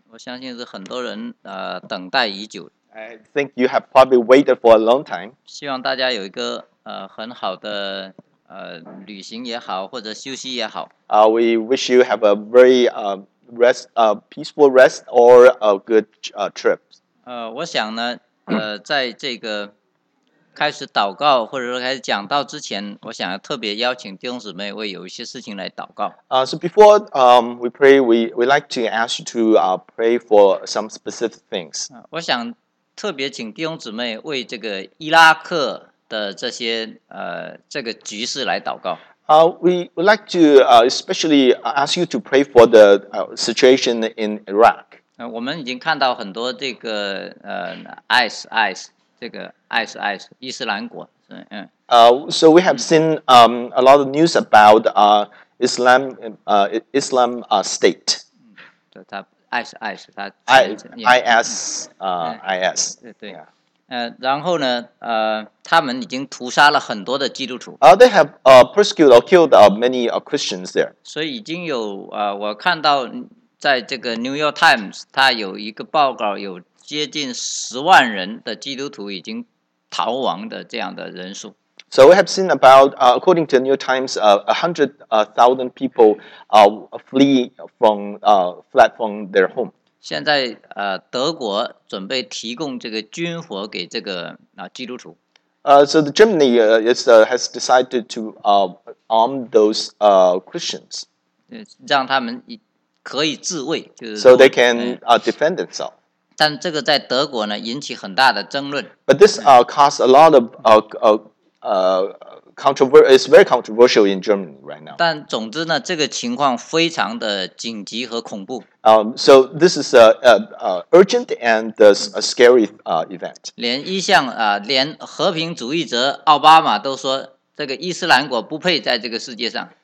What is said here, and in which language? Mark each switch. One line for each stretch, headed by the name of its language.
Chinese: 我相信是很多人等待已久。
English: I think you have probably waited for a long time.
Chinese: 希望大家有一个很好的旅行也好，或者休息也好。
English: We wish you have a very peaceful rest or a good trip.
Chinese: 我想呢，在这个开始祷告或者说开始讲道之前，我想要特别邀请弟兄姊妹为有一些事情来祷告。
English: So before we pray, we like to ask you to pray for some specific things.
Chinese: 我想特别请弟兄姊妹为这个伊拉克的这些这个局势来祷告。
English: We would like to especially ask you to pray for the situation in Iraq.
Chinese: 我们已经看到很多这个ISIS。这个 ISIS 伊斯兰国，
English: So we have seen a lot of news about Islam, Islam state. ISIS, IS.
Chinese: 对，然后呢，他们已经屠杀了很多的基督徒。
English: They have persecuted or killed many Christians there.
Chinese: 所以已经有我看到在这个 New York Times， 它有一个报告有。接近10万人的基督徒已经逃亡的这样的人数。
English: So we have seen about, according to New Times, 100,000 people fled from their home.
Chinese: 现在德国准备提供这个军火给这个基督徒。
English: So the Germany has decided to arm those Christians.
Chinese: 让他们可以自卫，就是。
English: So they can defend themselves.
Chinese: 但这个在德国呢引起很大的争论。
English: But this caused a lot of controversy. It's very controversial in Germany right now.
Chinese: 但总之呢，这个情况非常的紧急和恐怖。
English: So this is urgent and a scary event.
Chinese: 连一向连和平主义者奥巴马都说这个伊斯兰国不配在这个世界上。